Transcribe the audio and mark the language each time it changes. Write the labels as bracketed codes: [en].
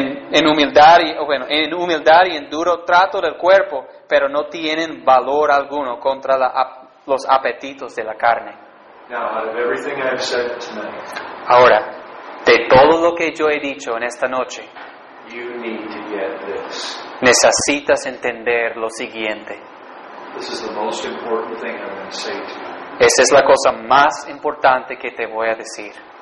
[es] En humildad y en duro trato del cuerpo, pero no tienen valor alguno contra los apetitos de la carne. [en] Now, out of everything I have said tonight, [es] ahora, de todo lo que yo he dicho en esta noche, [en] you need to get this. [es] Necesitas entender lo siguiente. [en] This is the most important thing I'm going to say to you. [es] Esa es la cosa más importante que te voy a decir.